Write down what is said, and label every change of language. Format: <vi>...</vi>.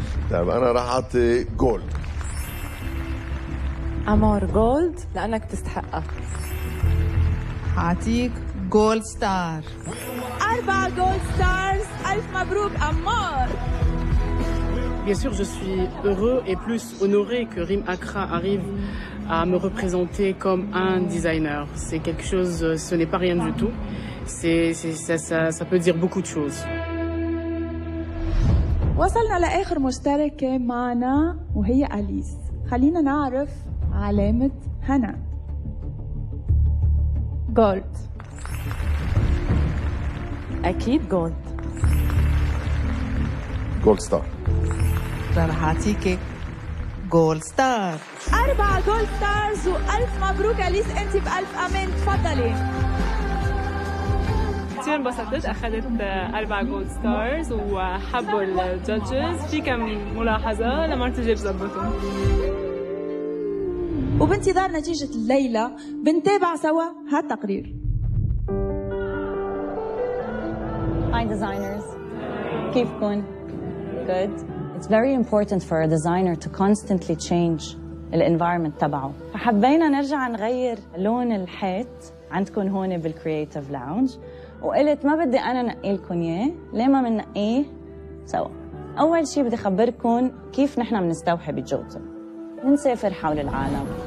<ar>طيب أنا راح أعطي جولد. أمور جولد لأنك تستحقها. أعطيك جولد ستار. 4 جولد ستارز، ألف مبروك أمار.</ar> <fr>Bien sûr, je suis heureux et plus honoré que Rim Akra arrive à me représenter comme un designer. C'est quelque chose, ce n'est pas rien du tout. Ça peut dire beaucoup de choses.</fr> <ar>وصلنا لآخر مشتركة معنا وهي أليس. خلينا نعرف علامة هنا. جولد. أكيد جولد. جولد ستار. رح أعطيكي جولد ستار. 4 جولد ستارز وألف مبروك أليس، أنت بألف أمان، تفضلي. كثير انبسطت، أخذت 4 جولد ستارز وحبوا الجادجز. في كم ملاحظة لما تجي بزبطهم. وبانتظار نتيجة الليلة بنتابع سوا هالتقرير.</ar> <en>Hi designers,</en> <ar>كيفكن؟</ar> <en>Good. It's very important for a designer to constantly change the environment</en> <ar>تبعه. فحبينا نرجع نغير لون الحيط عندكن هون بالcreative lounge. وقلت ما بدي أنا نقلكن إياه، ليه ما مننقيه سوا؟ أول شيء بدي خبركن كيف نحنا منستوحي بجوتن. منسافر حول العالم.</ar>